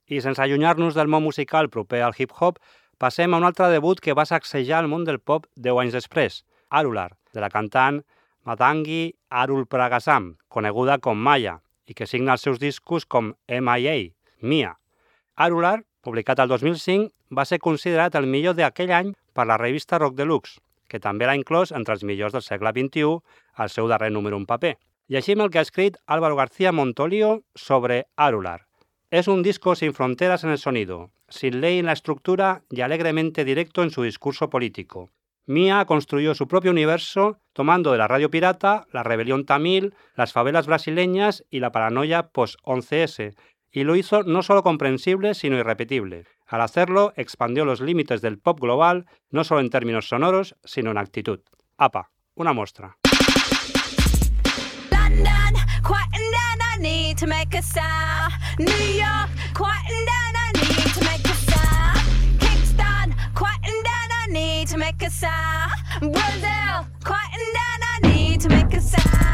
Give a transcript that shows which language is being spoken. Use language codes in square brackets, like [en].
[ca] I sense allunyar-nos del món musical proper al hip-hop, passem a un altre debut que va sacsejar el món del pop 10 anys després, Arular, de la cantant Madangi Arul Pragasam, coneguda com Maya, i que signa els seus discos com M.I.A., Mia. Arular, publicat el 2005, va ser considerat el millor d'aquell any per la revista Rock Deluxe, que també l'ha inclòs entre els millors del segle XXI al seu darrer número en paper. Llegim el que ha escrit Álvaro García Montolio sobre Arular. [es] És un disco sin fronteras en el sonido, sin ley en la estructura y alegremente directo en su discurso político. Mia construyó su propio universo tomando de la radio pirata, la rebelión tamil, las favelas brasileñas y la paranoia post-11S, y lo hizo no solo comprensible, sino irrepetible. Al hacerlo, expandió los límites del pop global, no solo en términos sonoros, sino en actitud. ¡Apa! Una muestra. [en] London, quieting down, I need to make a sound. New York, quieting down, I need to make a sound. Kingston, quieting down, I need to make a sound. Brazil, quieting down, I need to make a sound.